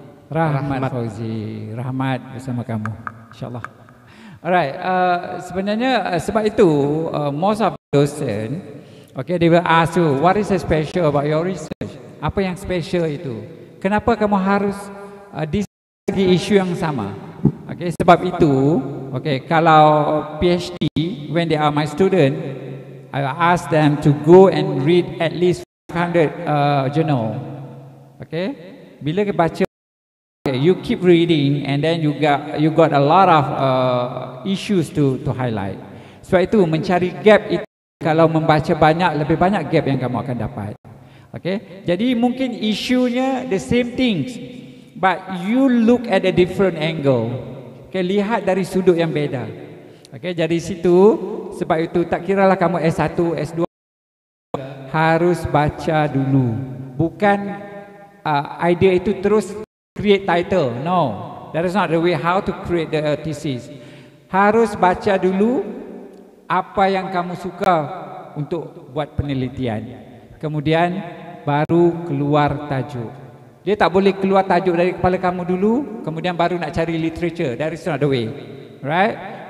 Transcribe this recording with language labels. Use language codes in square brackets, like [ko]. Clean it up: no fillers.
[ms] Rahmat Fauzi. Rahmat bersama kamu. Insyaallah. [en] Alright, [ms] sebenarnya sebab itu [en] most of docent, okay, they will ask you, what is special about your research? [ms] Apa yang special itu? Kenapa kamu harus di segi isu yang sama? [en] Okay, [ms] sebab itu, [en] okay, kalau PhD, when they are my student, I will ask them to go and read at least 500 journal. Okay, [ms] bila kita baca, [en] you keep reading and then you got a lot of issues to highlight. [ms] Sebab itu mencari gap itu, kalau membaca banyak, lebih banyak gap yang kamu akan dapat. [en] Okay, [ms] jadi mungkin isunya [en] the same things, but you look at a different angle. [ms] Okay, lihat dari sudut yang beda. Okay, jadi situ, sebab itu tak kiralah kamu S1, S2, harus baca dulu. Bukan idea itu terus create title. [en] No, that is not the way how to create the thesis. [ms] Harus baca dulu apa yang kamu suka untuk buat penelitian. Kemudian baru keluar tajuk. Dia tak boleh keluar tajuk dari kepala kamu dulu, kemudian baru nak cari literature. [en] That is not the way. Right?